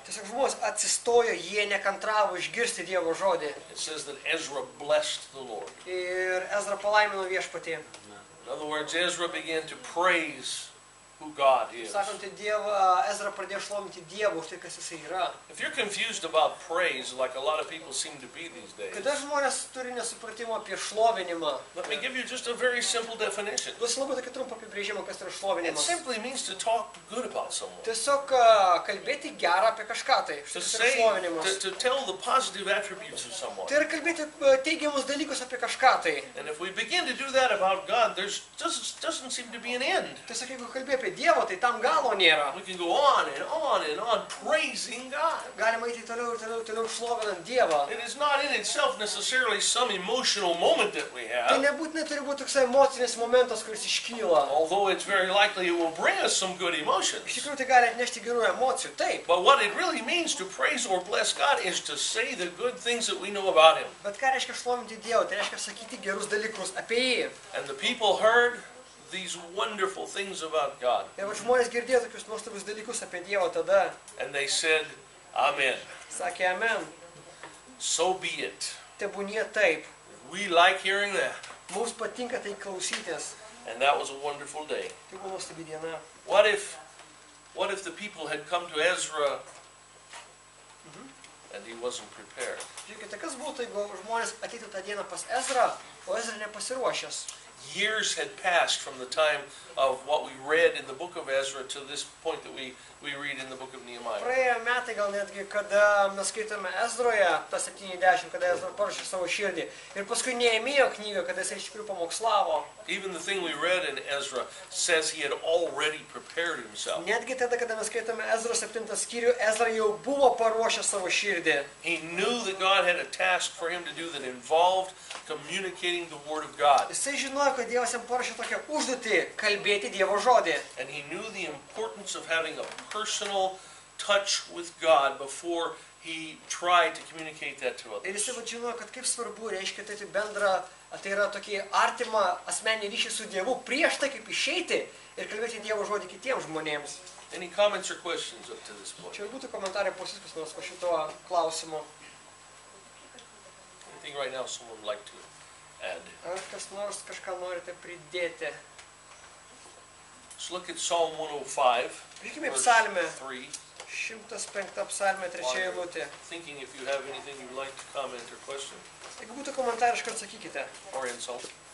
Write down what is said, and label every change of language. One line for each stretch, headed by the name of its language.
Lithuanian: Tiesiog žmonės atsistojo, jie nekantravo išgirsti Dievo žodį.
English: It says that Ezra blessed the Lord.
Lithuanian: Ir Ezra palaimino viešpatį.
English: In other words, Ezra began to praise who God is.
Lithuanian: Sakant, Ezra pradėjo šlovinti Dievą už tai, kas jis yra.
English: If you're confused about praise, like a lot of people seem to be these days,
Lithuanian: kada žmonės turi nesupratimo apie šlovinimą,
English: let me give you just a very simple definition.
Lithuanian: Duosiu labai tokį trumpą apibrėžimą, kas yra šlovinimas.
English: It simply means to talk good about someone.
Lithuanian: Tiesiog kalbėti gerą apie kažką tai. Štai šlovinimas.
English: To tell the positive attributes of someone.
Lithuanian: Tai yra kalbėti teigiamus dalykus apie kažką tai.
English: And if we begin to do that about God, there doesn't seem to be an end.
Lithuanian: Tiesiog jeigu kalbėti apie Dievą, tai tam galo nėra.
English: We can go on and on and on praising God.
Lithuanian: Galima eiti toliau ir toliau, toliau šlovinant Dievą.
English: It is not in itself necessarily some emotional moment that we have.
Lithuanian: Tai nebūtinai turi būti toks emocinis momentas, kuris iškyla.
English: Although it's very likely it will bring us some good emotions.
Lithuanian: Iš tikrųjų, tai gali atnešti gerų emocijų, taip.
English: But what it really means to praise or bless God is to say the good things that we know about Him.
Lithuanian: Bet ką reiškia šlovinti Dievą? Tai reiškia sakyti gerus dalykus apie jį.
English: And the people heard these wonderful things about God.
Lithuanian: Ir žmonės girdėjo tokius nuostabius dalykus apie Dievą tada.
English: And they said, Amen.
Lithuanian: Sakė, Amen.
English: So be it.
Lithuanian: Tebūnie taip.
English: We like hearing that.
Lithuanian: Mums patinka tai klausytis.
English: And that was a wonderful day.
Lithuanian: Tai buvo nuostabi diena.
English: What if the people had come to Ezra and he wasn't prepared?
Lithuanian: Žiūrėkite, kas būtų, jeigu žmonės ateitų tą dieną pas Ezra, o Ezra nepasiruošęs?
English: Years had passed from the time of what we read in the book of Ezra to this point that we read in the book of Nehemiah.
Lithuanian: Praėjo metai gal netgi, kada mes skaitome Ezroje, tą 70, kada Ezra paruošė savo širdį. Ir paskui Nehemijo knygą, kada jis iš tikrųjų pamokslavo.
English: Even the thing we read in Ezra says he had already prepared himself.
Lithuanian: Netgi tada, kada mes skaitome Ezra 7 skyrių, Ezra jau buvo paruošęs savo širdį.
English: He knew that God had a task for him to do that involved communicating the word of God.
Lithuanian: Jisai žinojo, kad Dievas jam paruošė tokią užduotį, kalbėti Dievo žodį.
English: And he knew the importance of having a personal touch with God before he tried to communicate that to others.
Lithuanian: Ir jisai vat žinojo, kad kaip svarbu, reiškia tai bendra, tai yra tokį artimą asmeninį ryšį su Dievu, prieš tai kaip išeiti ir kalbėti Dievo žodį kitiems žmonėms.
English: Any comments or questions up to this point?
Lithuanian: Čia būtų komentarai po viskas nors po šito klausimo.
English: I think right now someone would like to add.
Lithuanian: Ar kas nors kažką norite pridėti?
English: Let's look at Psalm 105.
Lithuanian: Žiūrėkime psalmę. 3. 105 psalmė, 3 eilutė.
English: Thinking if you have anything you'd like to comment or question.
Lithuanian: Jeigu būtų komentarą, iškart sakykite.
English: Or insult.